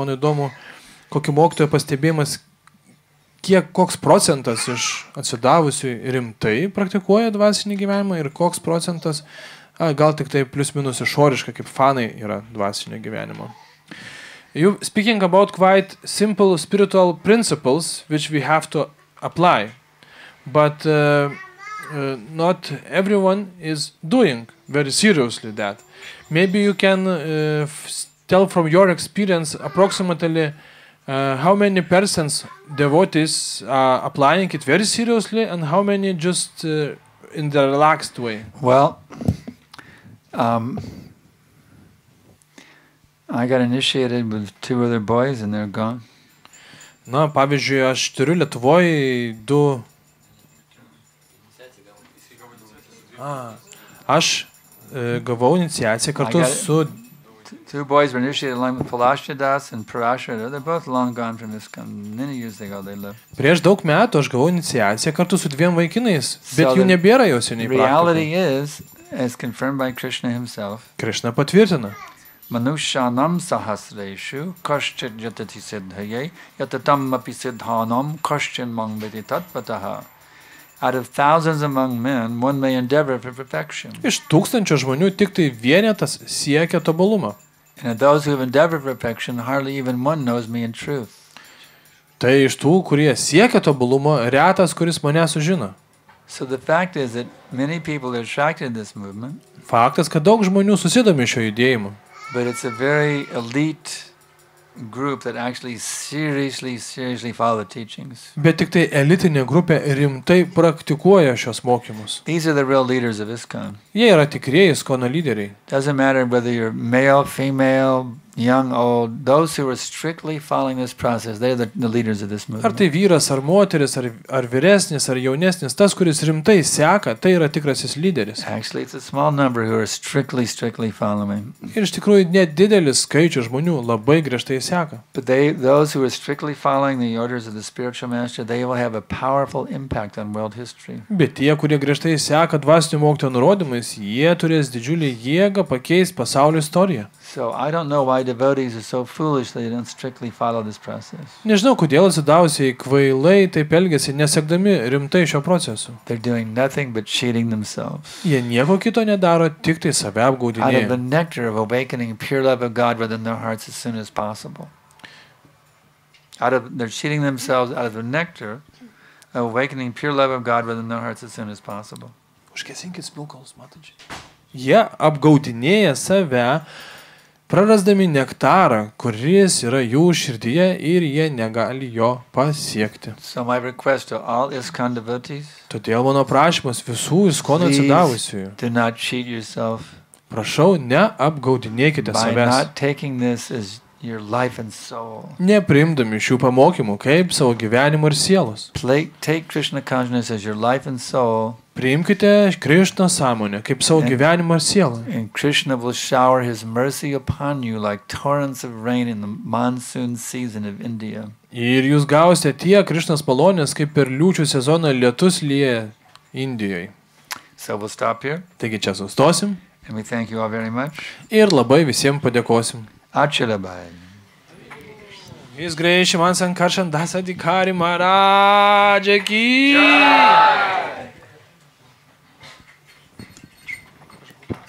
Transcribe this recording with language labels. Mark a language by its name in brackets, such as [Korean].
[Lithuanian] Mano įdomu, kokį mokytojo pastebėjimas, koks procentas iš atsidavusių rimtai praktikuoja dvasinį gyvenimą ir koks procentas gal tik tai plius minus išoriška, kaip fanai yra dvasinio gyvenimo. [English] You speaking about quite simple spiritual principles, which we have to apply, but not everyone is doing very seriously that. Maybe you can tell from your experience approximately how many persons devotees are applying it very seriously and how many just in the relaxed way. Well, I got initiated with 2 other boys and they're gone. [Lithuanian] Na, pavyzdžiui, aš turiu Lietuvoj 2. Aš gavau iniciaciją kartu su [English] 2 boys were initiated along with Palashya Das and Parashya. They're both long gone from this many years ago they lived. [Lithuanian] Prieš daug metų aš gavau iniciaciją kartu su 2 vaikinais, bet jų nebėra jau seniai praktikų. [English] Reality is, as confirmed by Krishna himself. [Lithuanian] Krishna patvirtina. [Sanskrit] Manushanam sahasreshu kashchit yatati siddhaye yatatam api siddhanam kashchin mangviti tatpataha. [English] Out of thousands among men, one may endeavor for perfection. [Lithuanian] Iš 1000 žmonių tik tai vienetas siekia tobulumą. [English] And of those who have endeavored perfection, hardly even one knows me in truth. [Lithuanian] Tai iš tų, kurie siekia tobulumo, retas, kuris mane sužino. [English] So the fact is that many people are attracted to this movement. [Lithuanian] Faktas, kad daug žmonių susidomi šio judėjimu. [English] But it's a very elite group that actually seriously follow teachings. [Lithuanian] Bet tik tai elitinė grupė rimtai praktikuoja šios mokymus. [English] These are the real leaders of ISKCON. [Lithuanian] Jie yra tikrieji ISKCON lyderiai. [English] Doesn't matter whether you're male, female, young, old, those who are strictly following this process, they're the leaders of this movement. [Lithuanian] Ar tai vyras, ar moteris, ar vyresnis, ar jaunesnis, tas, kuris rimtai seka, tai yra tikrasis lyderis. [English] Actually, it's a small number who are strictly following. [Lithuanian] Ir iš tikrųjų, net didelis skaičius žmonių labai griežtai seka. [English] But they, those who are strictly following the orders of the spiritual master, they will have a powerful impact on world history. [Lithuanian] Bet tie, kurie griežtai seka dvasinių mokytojų nurodymais, jie turės didžiulį jėgą pakeis pasaulio istoriją. [English] So I don't know why devotees are so foolish that they don't strictly follow this process. [Lithuanian] Nežinau, kodėl atsidavusiai kvailai taip elgiasi, nesekdami rimtai šio proceso. [English] They're doing nothing but cheating themselves. Jie nieko kito nedaro, tik tai save apgaudinėja. Out of the nectar of awakening pure love of God within their hearts as soon as possible. They're cheating themselves out of the nectar of awakening pure love of God within their hearts as soon as possible. [Lithuanian] Užkesinkit smilkalus, matančiai. Jie apgaudinėja save, prarasdami nektarą, kuris yra jų širdyje ir jie negali jo pasiekti. [English] So my request to all ISKCON devotees. [Lithuanian] Todėl mano prašymas visų ISKCON atsidavusiųjų. [English] Do not cheat yourself. [Lithuanian] Prašau, neapgaudinėkite savęs. [English] By not taking this as your life and soul. [Lithuanian] Nepriimdami šių pamokymų kaip savo gyvenimo ir sielos. [English] Take Krishna consciousness as your life and soul. [Lithuanian] Priimkite Krishna sąmonę kaip savo gyvenimo ir sielą. [English] And Krishna will shower his mercy upon you like torrents of rain in the monsoon season of India. [Lithuanian] Ir jūs gausite tie Krishnas malonės kaip ir liūčių sezoną lietus lyja Indijoje. [English] So we'll stop here. [Lithuanian] Taigi čia sustosim. [English] And we thank you all very much. [Lithuanian] Ir labai visiems padėkosim. Ačiū labai. Jis grįžė man sankaršant dasą dikari maradžia ki.